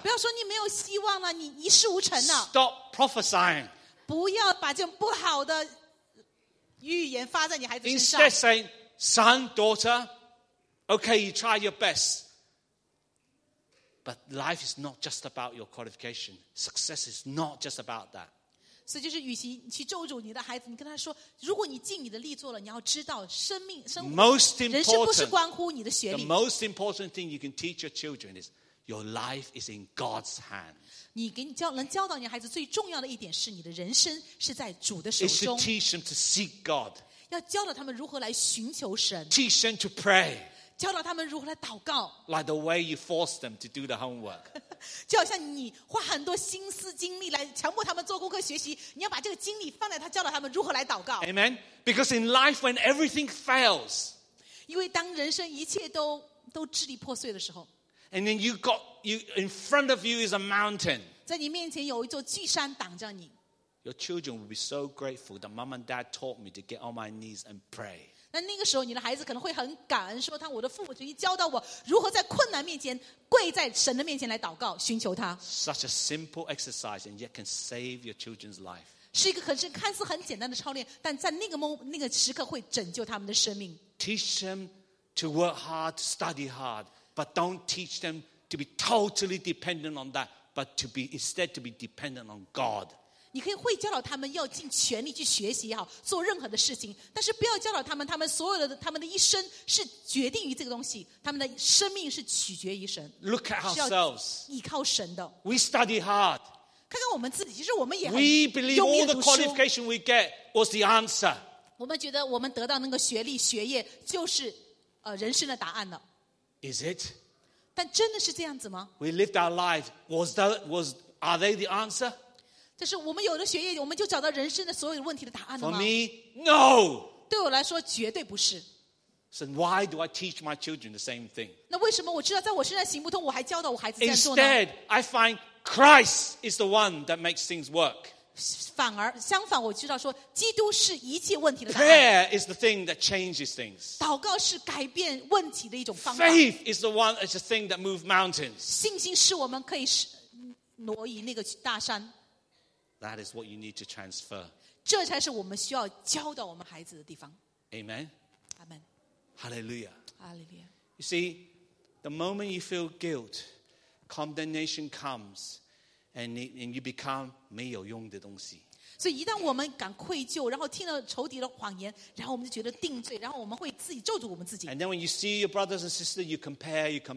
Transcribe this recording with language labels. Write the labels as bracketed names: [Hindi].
[Chinese] 不要说你没有希望了，你一事无成了。 [English] Stop prophesying. [Chinese] 不要把这种不好的预言发在你孩子身上。 [English] Instead saying, son, daughter,Okay, you try your best. But life is not just about your qualification. Success is not just about that. [Chinese] 所以就是与其去咒诅你的孩子，你跟他说，如果你尽你的力做了，你要知道生命、生活、人生不是关乎你的学历。 [English] The most important thing you can teach your children is your life is in God's hands. [Chinese] 能教导你孩子最重要的一点是你的人生是在主的手中。 [English] It should teach them to seek God. [Chinese] 要教导他们如何来寻求神。 [English] Teach them to pray. [Chinese] 教导他们如何来祷告。 [English] Like the way you force them to do the homework. [Chinese] 就好像你花很多心思精力来强迫他们做功课学习，你要把这个精力放在他教导他们如何来祷告。 [English] Amen. Because in life, when everything fails, [Chinese] 因为当人生一切都支离破碎的时候 [English] ，and then you in front of you is a mountain. [Chinese] 在你面前有一座巨山挡着你。 [English] Your children will be so grateful that mom and dad taught me to get on my knees and pray. [Chinese] 那个时候你的孩子可能会很感恩，说他我的父母曾经教导我如何在困难面前跪在神的面前来祷告，寻求他。 [English] Such a simple exercise and yet can save your children's life. [Chinese] 是一个很看似很简单的操练，但在那个时刻会拯救他们的生命。 [English] Teach them to work hard, study hard, but don't teach them to be totally dependent on that, but to be instead to be dependent on God. [Chinese] 你可以会教导他们要尽全力去学习也好，做任何的事情，但是不要教导他们，他们的一生是决定于这个东西，他们的生命是取决于神。 [English] Look at ourselves. [Chinese] 依靠神的。 [English] We study hard. [Chinese] 看看我们自己，其实我们也很用力读书。 [English] We believe all the qualification we get was the answer. [Chinese] 我们觉得我们得到那个学历、学业就是人生的答案了。 [English] Is it? [Chinese] 但真的是这样子吗 [English] ？We lived our life. Are they the answer? [Chinese] 就是我们有了学业，我们就找到人生的所有问题的答案了吗 [English] ？For me, no. [Chinese] 对我来说，绝对不是。 [English] So why do I teach my children the same thing? [Chinese] 那为什么我知道在我身上行不通，我还教导我孩子这样做呢 [English] ？Instead, I find Christ is the one that makes things work. [Chinese] 反而相反，我知道说基督是一切问题的答案。 [English] Prayer is the thing that changes things. [Chinese] 祷告是改变问题的一种方法。 [English] Faith is the one is the thing that moves mountains. [Chinese] 信心是我们可以挪移那个大山。 [English] That is what you need to transfer. [Chinese] 这才是我们需要教导我们孩子的地方。 [English] Amen. Amen. Hallelujah. Hallelujah. You see, the moment you feel guilt, condemnation comes, and you become [Chinese] 没有用的东西。所以一旦我们感愧疚，然后听了仇敌的谎言，然后我们就觉得定罪，然后我们会自己咒诅我们自己。 [English] And then when you see your brothers and sisters, you compare.